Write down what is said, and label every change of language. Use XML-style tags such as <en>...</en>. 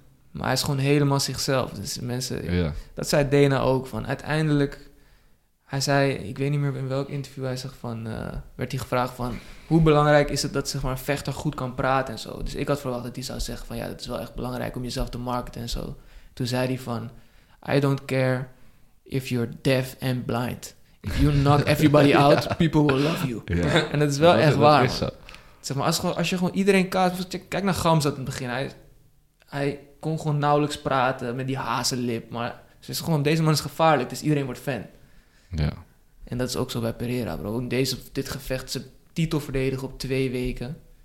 <nl>Maar hij is gewoon helemaal zichzelf. Dus mensen, dat zei Dana ook. Van uiteindelijk, hij zei, ik weet niet meer in welk interview hij zegt van, werd hij gevraagd van, hoe belangrijk is het dat zeg maar, een vechter goed kan praten en zo. Dus ik had verwacht dat hij zou zeggen van, ja, dat is wel echt belangrijk om jezelf te marketen en zo. Toen zei hij van,</nl> <en>I don't care if you're deaf and blind. If you knock everybody out, people will love you. Yeah.</en> <nl>En dat is wel dat echt waar. Zeg maar, als je gewoon iedereen kaart... Kijk naar Gamzat in het begin. Hij kon gewoon nauwelijks praten met die hazenlip. Maar ze is gewoon, deze man is gevaarlijk, dus iedereen wordt fan. Ja. En dat is ook zo bij Pereira, bro. Dit gevecht, zijn titel verdedigen op 2 weken.</nl>